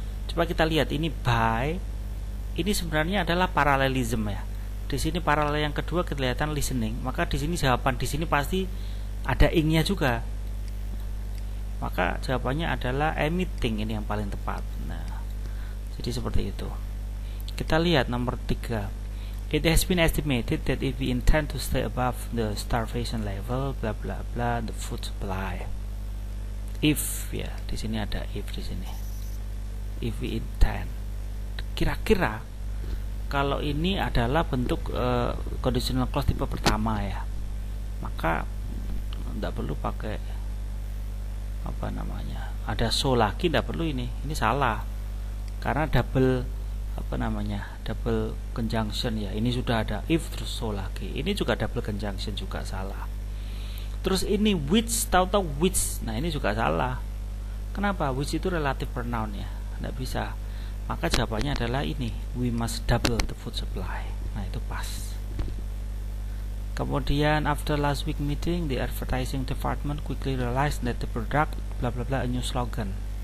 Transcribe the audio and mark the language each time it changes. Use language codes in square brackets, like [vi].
[id] Coba kita lihat ini by, ini sebenarnya adalah parallelism ya. Di sini paralel yang kedua kelihatan listening, maka di sini jawaban di sini pasti ada ing-nya juga. Maka jawabannya adalah emitting, ini yang paling tepat. Nah, jadi seperti itu. Kita lihat nomor 3. [en] It has been estimated that if we intend to stay above the starvation level, blah blah blah, the food supply. [id] If ya, di sini ada if di sini. If we intend, kira-kira kalau ini adalah bentuk conditional clause tipe pertama ya, maka tidak perlu pakai apa namanya. Ada so lagi, tidak perlu ini. Ini salah karena double. Apa namanya, double conjunction ya, ini sudah ada if terus so lagi, ini juga double conjunction juga salah. Terus ini which, tahu-tahu which, nah ini juga salah. Kenapa? Which itu relative pronoun ya, tidak bisa. Maka jawabannya adalah ini, we must double the food supply. Nah itu pas. Kemudian [en] after last week meeting, the advertising department quickly realized that the product bla bla bla a new slogan.